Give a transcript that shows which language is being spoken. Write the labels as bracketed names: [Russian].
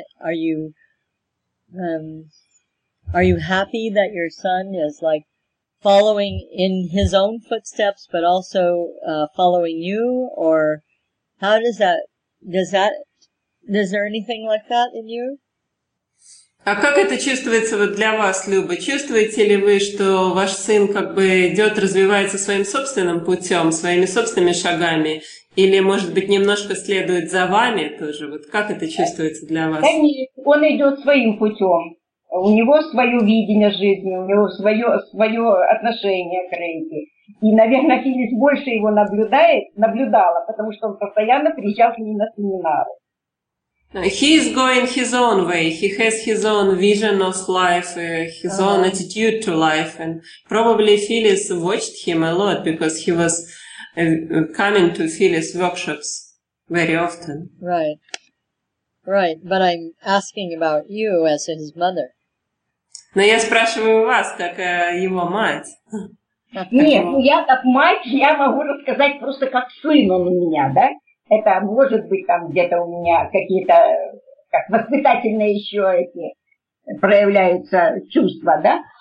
[English] Are you happy that your son is like, following in his own footsteps, but also following you? Or how does that, is there anything like that in you? [Russian] А как это чувствуется вот для вас, Люба? Чувствуете ли вы, что ваш сын как бы идет, развивается своим собственным путем, своими собственными шагами? Или, может быть, немножко следует за вами тоже? Вот как это чувствуется для вас? Он идет своим путем. У него свое видение жизни, у него свое отношение к Рейке. И, наверное, Филис больше его наблюдала, потому что он постоянно приезжал к ней на семинары. [English] He is going his own way. He has his own vision of life, his own attitude to life. And probably Филис watched him a lot, because he was coming to Филис workshops very often. Right. Right. But I'm asking about you as his mother. [Russian] Но я спрашиваю вас, как его мать. Нет, ну я как мать, я могу рассказать просто как сын он у меня, да? Это может быть там где-то у меня какие-то как воспитательные еще эти проявляются чувства, да?